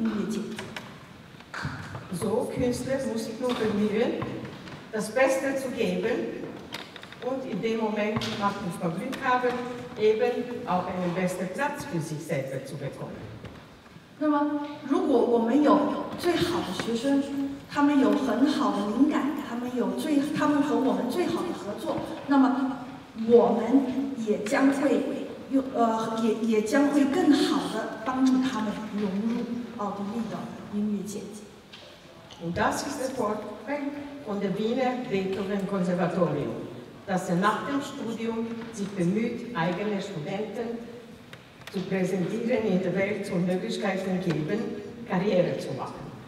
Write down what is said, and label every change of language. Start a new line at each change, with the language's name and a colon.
Chinese: 这呢，也是我们维也纳贝多芬音乐学院的特点呢，就是说，在学生毕业以后，如何让我们的毕业生们融入音乐界。
German: So Künstler muss ich nur bemühen, das Beste zu geben, und in dem Moment macht uns mal Glück haben, eben auch einen besten Platz für sich selbst zu bekommen.
Chinese: 那么，如果我们有最好的学生， 他们有很好的灵感，他们有最，他们和我们最好的合作，那么我们也将会更好的帮助他们融入奥地利的音乐界。
German: Und das ist das Vorteil von der Wiener Beethoven Konservatorium, dass nach dem Studium sich bemüht, eigene Studenten zu präsentieren in der Welt und Möglichkeiten geben, Karriere zu machen.